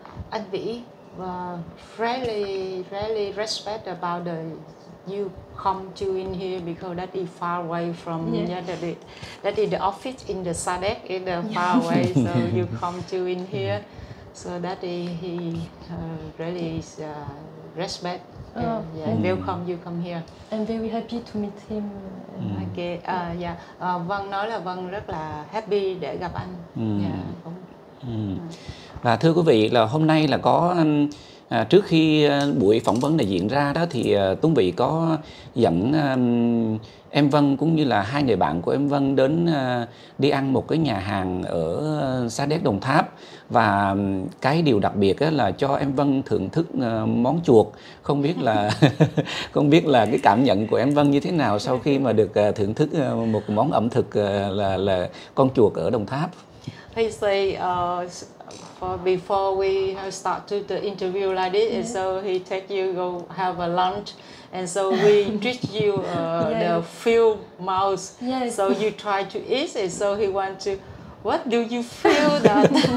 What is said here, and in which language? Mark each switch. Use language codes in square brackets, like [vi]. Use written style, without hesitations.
[en] Anh Vĩ really respect about the you come to in here because that is far away from that is the office in the Sa Đéc in the far away, so you come to in here, so that is he really is, respect and welcome you come here. I'm very happy to meet him. [vi] Okay, Vân nói là Vân rất là happy để gặp anh. Và thưa quý vị, là hôm nay là có Trước khi buổi phỏng vấn này diễn ra đó thì Tuấn Bị có dẫn em Vân cũng như là hai người bạn của em Vân đến đi ăn một cái nhà hàng ở Sa Đéc Đồng Tháp. Và cái điều đặc biệt là cho em Vân thưởng thức món chuột. Không biết là không biết là cái cảm nhận của em Vân như thế nào sau khi mà được thưởng thức một món ẩm thực là con chuột ở Đồng Tháp. [en] He say before we start to the interview like this, yeah. So he take you go have a lunch, and so we treat you the few mouse. Yes. So you try to eat, and so he want to. What do you feel that?